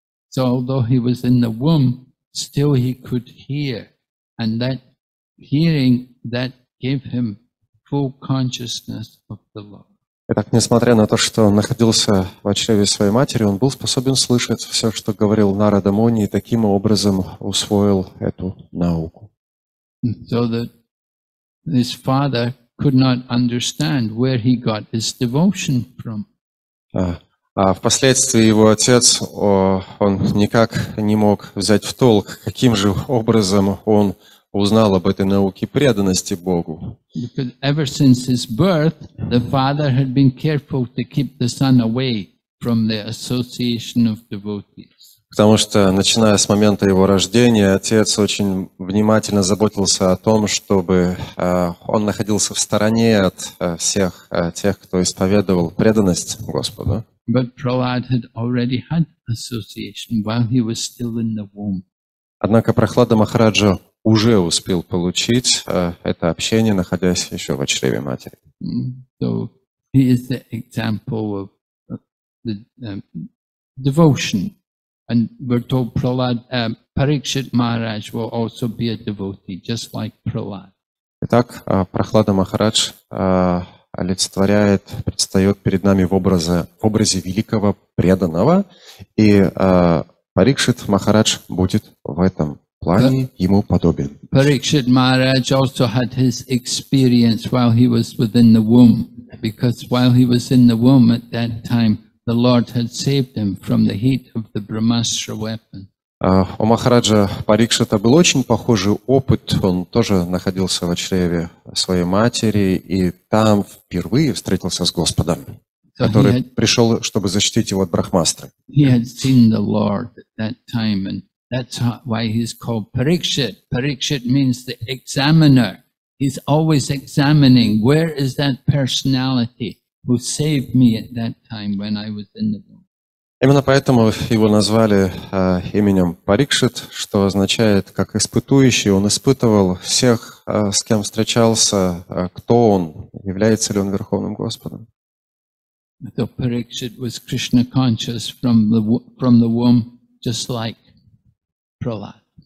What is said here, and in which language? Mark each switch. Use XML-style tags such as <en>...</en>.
<en>So although he was in the womb, still he could hear, and that hearing that gave him full consciousness of the Lord.</en> <ru>Итак, несмотря на то, что он находился в чреве своей матери, он был способен слышать все, что говорил Нарада Муни, и таким образом усвоил эту науку.</ru> <en>So that his father could not understand where he got his devotion from.</en> <ru>А впоследствии его отец, он никак не мог взять в толк, каким же образом он узнал об этой науке преданности Богу.</ru> <en>Because ever since his birth, the father had been careful to keep the son away from the association of devotees.</en> <ru>Потому что, начиная с момента его рождения, отец очень внимательно заботился о том, чтобы он находился в стороне от всех тех, кто исповедовал преданность Господу.</ru> <en>But Prahlad had already had association while he was still in the womb.</en> <ru>Однако Прахлада Махараджа уже успел получить это общение, находясь еще в чреве матери.</ru> <en>So he is the example of the devotion, and we're told Prahlad Parikshit Maharaj will also be a devotee, just like Prahlad.</en> <ru>Итак, Прахлада Махарадж олицетворяет, предстает перед нами в образе великого преданного, и Парикшит Махарадж будет в этом плане ему подобен.</ru> <en>Parikshit Maharaj also had his experience while he was within the womb, because while he was in the womb at that time, the Lord had saved him from the heat of the Brahmastra weapon.</en> <ru>У Махараджа Парикшита был очень похожий опыт. Он тоже находился в чреве своей матери и там впервые встретился с Господом, который пришел, чтобы защитить его от Брахмастры.</ru> <en>He had seen the Lord at that time, and that's why he's called Parikshit. Parikshit means the examiner. He's always examining, where is that personality who saved me at that time when I was in the womb?</en> <ru>Именно поэтому его назвали именем Парикшит, что означает, как испытующий, он испытывал всех, с кем встречался, кто он, является ли он Верховным Господом.</ru> <en>So Parikshit was Krishna conscious from the womb, just like Prahlad.</en>